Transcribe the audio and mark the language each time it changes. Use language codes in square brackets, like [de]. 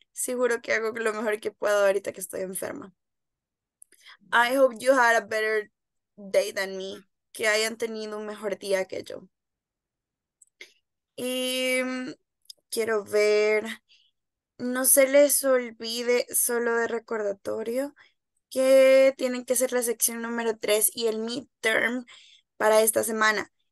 [es] Seguro que hago lo mejor que puedo ahorita que estoy enferma. [en] I hope you had a better day than me. [es] Que hayan tenido un mejor día que yo. Y quiero ver, no se les olvide, solo de recordatorio, que tienen que hacer la sección número 3 y el midterm para esta semana.